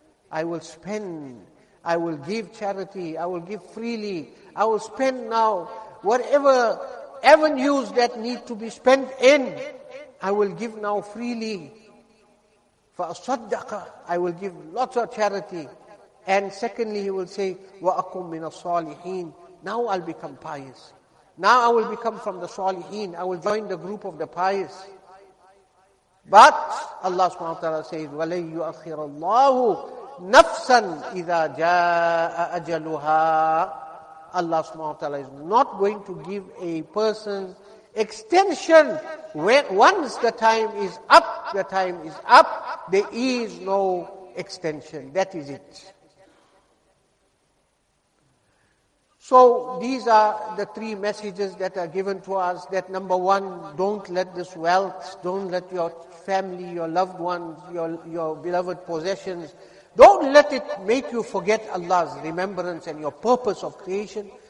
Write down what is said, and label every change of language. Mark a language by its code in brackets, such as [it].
[en] I will spend, I will give charity, I will give freely, I will spend now whatever avenues that need to be spent in, I will give now freely. [ar] فَأَصَدَّقَ, [en] I will give lots of charity. And secondly, he will say, [ar] وَأَكُمْ مِنَ الصَّالِحِينَ. [en] Now I'll become pious. Now I will become from the صَالِحِينَ. I will join the group of the pious. But Allah subhanahu wa ta'ala says, [ar] وَلَنْ يُؤَخِّرَ اللَّهُ نَفْسًا إِذَا جَاءَ أَجَلُهَا. [en] Allah subhanahu wa ta'ala is not going to give a person extension when once the time is up, the time is up, there is no extension. That is it. So these are the three messages that are given to us, that number one, don't let this wealth, don't let your family, your loved ones, your beloved possessions, don't let it make you forget Allah's remembrance and your purpose of creation.